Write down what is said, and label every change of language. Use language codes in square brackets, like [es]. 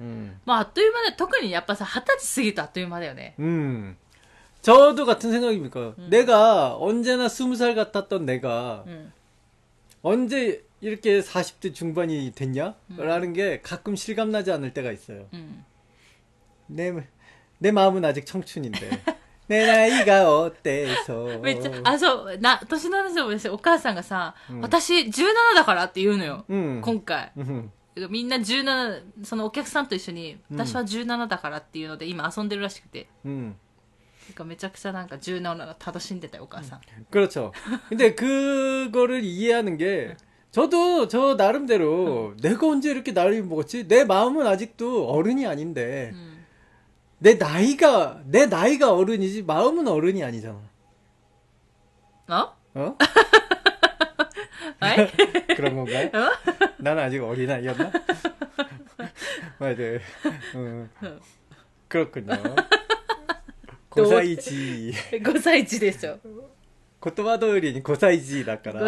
[ja] だってさ、今30、私8でしょ?38年来てきてさ。まあ、あっという間で、特にやっぱさ、20歳過ぎるとあっという間だよね。 [ko] 저도 같은 생각입니까? 내가 언제나 20살 같았던 내가 언제 이렇게 40대 중반이 됐냐? 라는 게 가끔 실감나지 않을 때가 있어요. 내 마음은 아직 청춘인데. 내 나이가 어때서. [ja] 아, 저, 나, 年の話でもですね、お母さんがさ、私17だからって言うのよ。今回。てかみんな17そのお客さんと一緒に私は17だからっていうので今遊んでるらしくて、うん、なんかめちゃくちゃなんか17を楽しんでたよお母さん、 [ko] うん、그렇죠근데그거를이해하는게저도저나름대로내가언제이렇게나이먹었지내마음은아직도어른이아닌데내나이가내나이가어른이지마음은어른이아니잖아 어 어 그런건가요 난아직어린아이였나 맞아요 그렇군요 고사이지 [ja] 고사이지でしょ言葉通りに5歳児だから。